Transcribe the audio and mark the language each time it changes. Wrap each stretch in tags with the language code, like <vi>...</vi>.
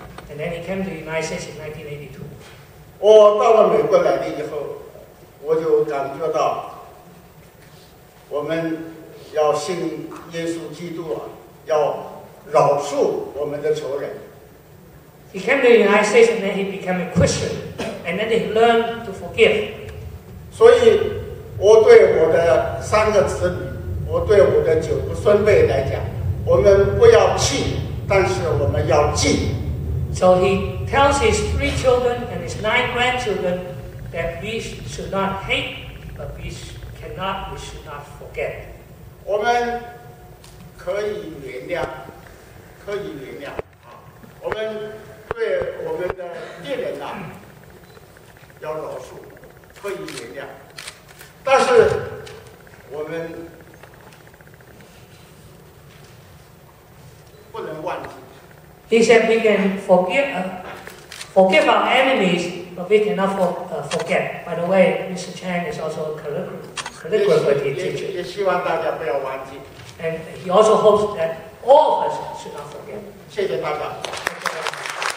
<en>And then he came to the United States in 1982.</en> <zh>我到了美国来的以后，我就感觉到我们要信耶稣基督啊，要饶恕我们的仇人。</zh> <en>He came to the United States and then he became a Christian. And then he learned to forgive.</en> <zh>所以我对我的三个子女我对我的九个孙辈来讲，我们不要气，但是我们要记。</zh> <en>So he tells his three children and his nine grandchildren, that we should not hate, but we cannot, we should not forget.</en> <zh>我们可以原谅，可以原谅啊！我们对我们的敌人呐，要饶恕，可以原谅，但是我们不能忘记。</zh> <en>He said we can forgive our enemies, but we cannot forget. By the way, Mr. Chang is also a calligraphy teacher.</en> <zh>也希望大家不要忘记。</zh> <en>And he also hopes that all of us should not forget.</en> <zh>谢谢大家。</zh>